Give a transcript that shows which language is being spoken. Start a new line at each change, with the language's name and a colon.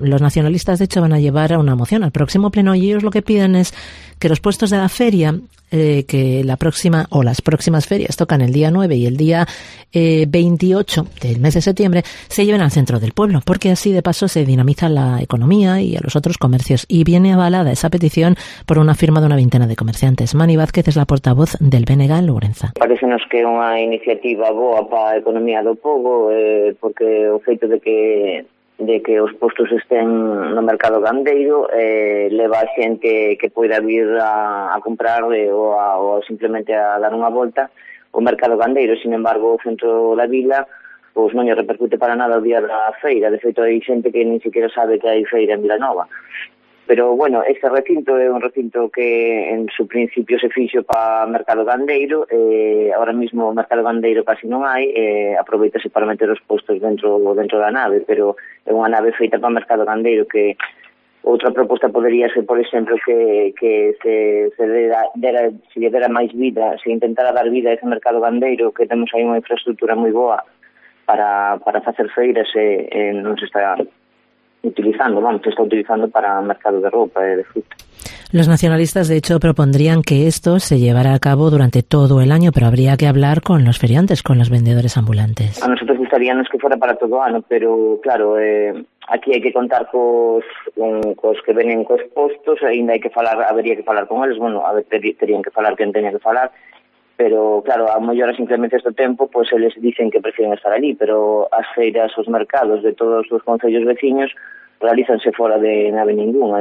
Spanish: Los nacionalistas, de hecho, van a llevar una moción al próximo pleno y ellos lo que piden es que los puestos de la feria, que la próxima o las próximas ferias tocan el día 9 y el día 28 del mes de septiembre, se lleven al centro del pueblo, porque así de paso se dinamiza la economía y a los otros comercios. Y viene avalada esa petición por una firma de una veintena de comerciantes. Mani Vázquez es la portavoz del BNG en Lourenza.
Galician: Parecenos que é unha iniciativa boa para a economía do povo, porque o feito de que os postos estén no mercado gandeiro leva a xente que poida vir a comprar ou simplemente a dar unha volta o mercado gandeiro.
Spanish: Sin embargo,
Galician: o centro da vila pois non repercute para nada o día da feira. De feito, hai xente que nin siquiera sabe que hai feira en Vilanova. Pero, bueno, este recinto é un recinto que
Spanish: en su principio
Galician: se fixo para mercado gandeiro.
Spanish: Ahora mismo
Galician: o mercado gandeiro casi non hai. Aproveitase para meter os postos dentro da nave, pero é unha nave feita para mercado gandeiro. Que outra proposta podería ser, por exemplo, que se lle dera máis vida, se intentara dar vida a ese mercado gandeiro, que temos aí unha infraestructura moi boa para facer feiras e non se está utilizando, vamos, se está utilizando para mercado de roupa e de fruta.
Spanish: Los nacionalistas, de hecho, propondrían que esto se llevara a cabo durante todo el año, pero habría que hablar con los feriantes, con los vendedores ambulantes. A nosotros gustaríanos que fuera para todo año, pero claro, aquí hay que
Galician: contar cos que venen cos postos, ainda hay que falar, habría que falar con eles, bueno, a ver, terían que falar quien tenía que falar, pero claro, a mellora simplemente este tempo,
Spanish: pues eles dicen que prefieren estar allí,
Galician: pero as feiras, os mercados de todos os concellos veciños realizanse fora de nave ninguna.